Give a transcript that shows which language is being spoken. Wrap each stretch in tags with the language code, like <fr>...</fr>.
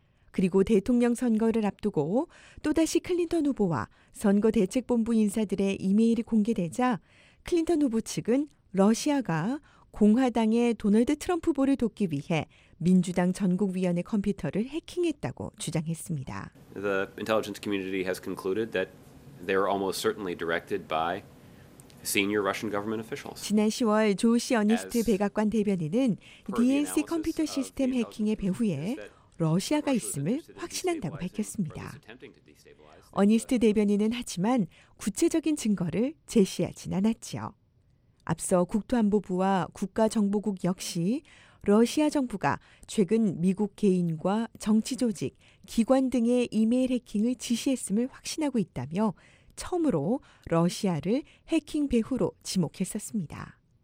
<ko>그리고 대통령 선거를 앞두고 또다시 클린턴 후보와 선거대책본부 인사들의 이메일이 공개되자 클린턴 후보 측은 러시아가 공화당의 도널드 트럼프 후보를 돕기 위해 민주당 전국위원회 컴퓨터를 해킹했다고 주장했습니다.</ko> <en>The intelligence community has concluded that they were almost certainly directed by senior Russian government officials.</en> <ko>지난 10월 조시 어니스트 백악관 대변인은 DNC 컴퓨터 시스템 해킹의 배후에 러시아가 있음을 확신한다고 밝혔습니다. 어니스트 대변인은 하지만 구체적인 증거를 제시하진 않았지요. 앞서 국토안보부와 국가정보국 역시 러시아 정부가 최근 미국 개인과 정치조직, 기관 등의 이메일 해킹을 지시했음을 확신하고 있다며 처음으로 러시아를 해킹 배후로 지목했었습니다.</ko>